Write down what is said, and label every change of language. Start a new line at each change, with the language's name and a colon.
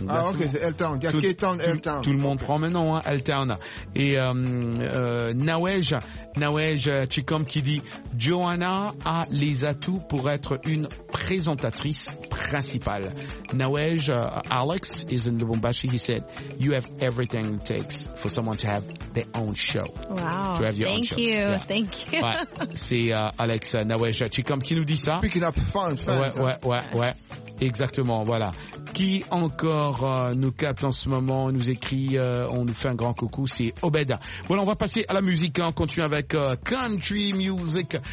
French: Ah ok, c'est L-Town. Il y a K-Town, L-Town. Tout le monde prend maintenant hein, L-Town. Et Nawej Chikom qui dit « Joanna a les atouts pour être une présentatrice principale. » Nawej,
English: Alex is in Lubumbashi. He said « You have everything it takes for someone to have their own show. » Wow. To have your own show. Thank you.
French: Ouais. C'est Alex Nawej Chikom qui nous dit ça.
English: Picking up fans.
French: Ouais. Exactement, voilà. Qui encore nous capte en ce moment, nous écrit, on nous fait un grand coucou, c'est Obed. Voilà, on va passer à la musique, on continue avec country music.